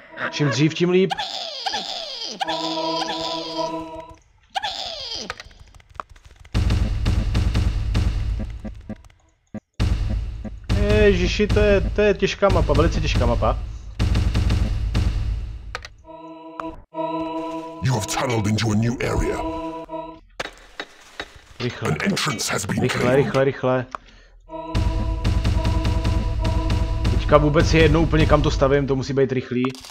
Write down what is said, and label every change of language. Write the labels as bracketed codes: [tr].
[cs] Čím dřív, tím líp. Ježiši, to je těžká mapa, velice těžká mapa. [en] You have tunneled into a new area. [cs] Rychle. [en] An entrance has been [cs] rychle, [en] cleared. [cs] Rychle. Teďka vůbec je jedno úplně kam to stavím, to musí být rychlý.